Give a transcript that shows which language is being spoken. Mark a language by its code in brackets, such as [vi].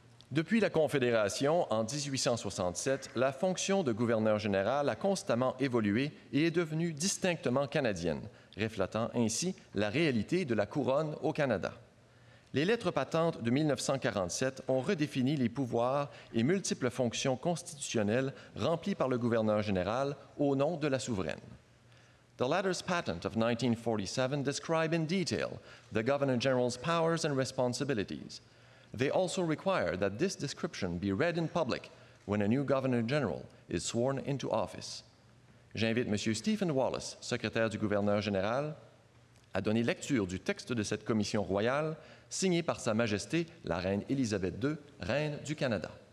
[fr] Depuis la Confédération, en 1867, la fonction de gouverneur général a constamment évolué et est devenue distinctement canadienne, reflétant ainsi la réalité de la couronne au Canada. Les lettres patentes de 1947 ont redéfini les pouvoirs et multiples fonctions constitutionnelles remplies par le gouverneur général au nom de la souveraine. [en] The letters patent of 1947 describe in detail the governor general's powers and responsibilities. They also require that this description be read in public when a new governor general is sworn into office. [fr] J'invite M. Stephen Wallace, secrétaire du gouverneur général, à donner lecture du texte de cette commission royale signé par Sa Majesté la Reine Élisabeth II, Reine du Canada.